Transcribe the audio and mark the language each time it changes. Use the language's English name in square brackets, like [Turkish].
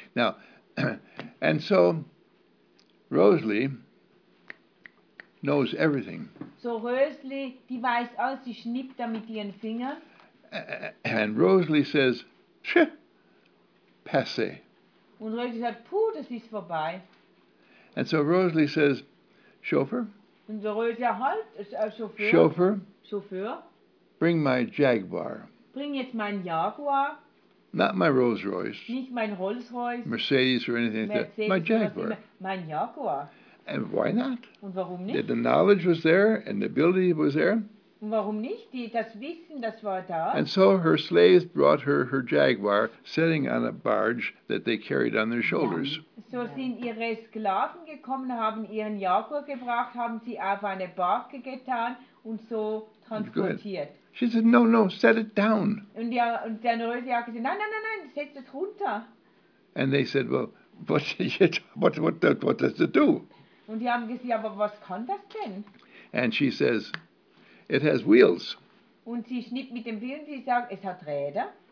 [English] Now, and so Rosalie knows everything. [German] So Rosalie, die weiß alles, sie schnippt da mit ihren Fingern. [English] And Rosalie says, passé. [German] Und Rosalie sagt, puh, das ist vorbei. [English] And so Rosalie says, chauffeur. [German] Und so Rosalie, halt, Chauffeur. [English] Chauffeur. Chauffeur, bring my Jaguar. [German] Bring jetzt meinen Jaguar. [English] Not my Rolls Royce. [German] Nicht mein Rolls Royce. [English] Mercedes or anything like that. My Jaguar. [German] Mein Jaguar. [English] And why not? [German] Und warum nicht? [English] The knowledge was there and the ability was there. [German] Und warum nicht? Das Wissen, das war da. [English] And so her slaves brought her her Jaguar sitting on a barge that they carried on their shoulders. [German] So sind ihre Sklaven gekommen, haben ihren Jaguar gebracht, haben sie auf eine Barke getan und so transportiert. [English] She said, no, no, set it down. [German] Und, ja, und der Neusjager [English] said, [German] nein, setz es runter. [English] And they said, well, what does it do? [German] Und die haben gesagt, aber was kann das denn? [English] And she says, it has wheels. [German] Und sie schnippt mit dem Bild und sie sagt, es hat Räder.